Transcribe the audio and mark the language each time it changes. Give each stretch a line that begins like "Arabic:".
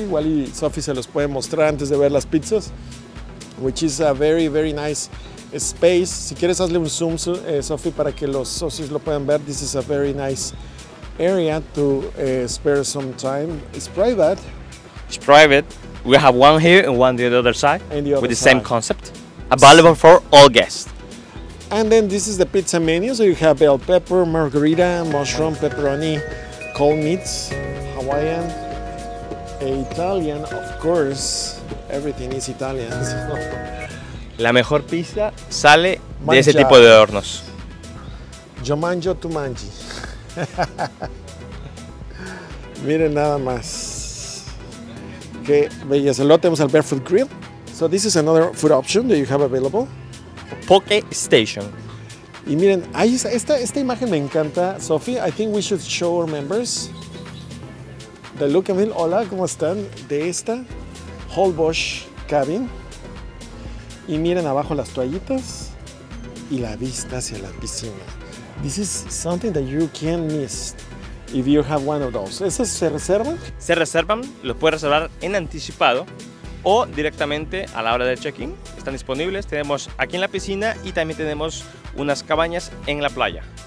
Spanish: Igual y Sophie se los puede mostrar antes de ver las pizzas.
English: Which is a very, very nice space.
Spanish: Si quieres, hazle un zoom, Sophie, para que los socios lo puedan ver.
English: This is a very nice area to spare some time. It's private. It's private. We have one here and one on the other side. And the other with the side. Same concept. Available for all guests. And then this is the pizza menu. So you have bell pepper, margarita, mushroom, pepperoni, cold meats, Hawaiian, Italian, of course. Everything is Italian.
Spanish: La mejor pizza sale mangia. De ese tipo de hornos.
Italian: Yo mangio, tu mangi.
Spanish: Miren nada más. Qué belleza. Luego tenemos el Barefoot Grill.
English: So this is another food option that you have available. Poke Station.
Spanish: Y miren, ahí está, esta imagen me encanta, Sophie.
English: I think we should show our members the look and feel.
Spanish: Hola, ¿cómo están? De esta whole bush cabin. Y miren abajo las toallitas y la vista hacia la piscina.
English: This is something that you can't miss if you have one of those.
Spanish: ¿Esas se reservan? Se reservan, los puedes reservar en anticipado o directamente a la hora de check-in. Están disponibles, tenemos aquí en la piscina y también tenemos unas cabañas en la playa.